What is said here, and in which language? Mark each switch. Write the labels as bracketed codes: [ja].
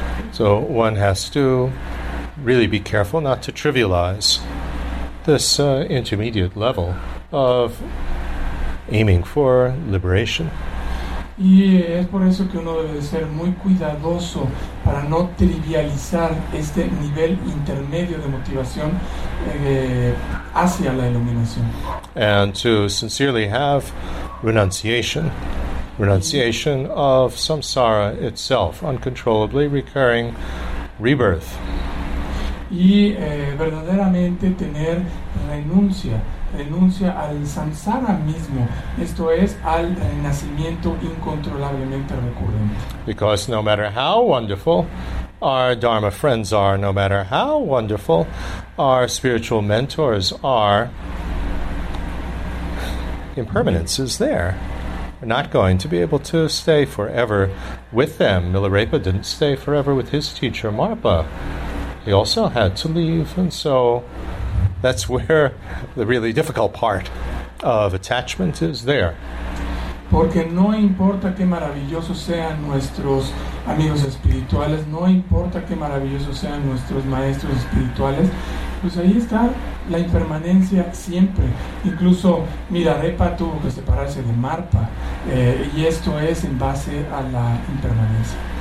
[en] So one has to really be careful not to trivialize this intermediate level of aiming for liberation. [es] Y es por eso que uno debe ser muy cuidadoso para no trivializar este nivel intermedio de motivación hacia la iluminación. [en] And to sincerely have renunciation. Renunciation of samsara itself, uncontrollably recurring rebirth. [es] Y verdaderamente tener renuncia al samsara mismo, esto es, al renacimiento incontrolablemente recurrente. [en] Because no matter how wonderful our Dharma friends are, no matter how wonderful our spiritual mentors are, impermanence is there. We're not going to be able to stay forever with them. Milarepa didn't stay forever with his teacher, Marpa. He also had to leave, and so that's where the really difficult part of attachment is there. [es] Porque no importa qué maravillosos sean nuestros amigos espirituales, no importa qué maravillosos sean nuestros maestros espirituales, pues ahí está la impermanencia siempre. Incluso Milarepa tuvo que separarse de Marpa, y esto es en base a la impermanencia.